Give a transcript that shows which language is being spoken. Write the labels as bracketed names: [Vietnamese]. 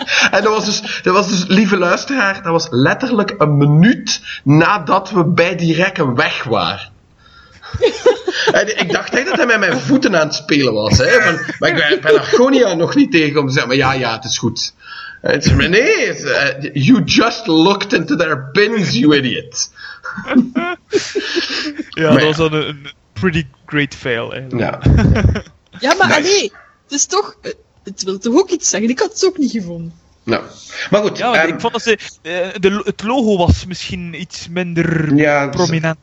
[Dutch] En dat was dus, lieve luisteraar, dat was letterlijk een minuut nadat we bij die rekken weg waren. En ik dacht echt dat hij met mijn voeten aan het spelen was, hè. Maar ik ben Arconia nog niet tegen om te zeggen, maar ja, het is goed. En ze zei, nee, [English] you just looked into their bins, you idiot. [Dutch] Ja, maar dat was dan een [English] pretty great fail, [Dutch] eigenlijk. Ja, ja, maar nice. Allee, het is toch... Het wil toch ook iets zeggen? Ik had het ook niet gevonden. Nou, maar goed. Ja, ik vond dat het logo was misschien iets minder prominent.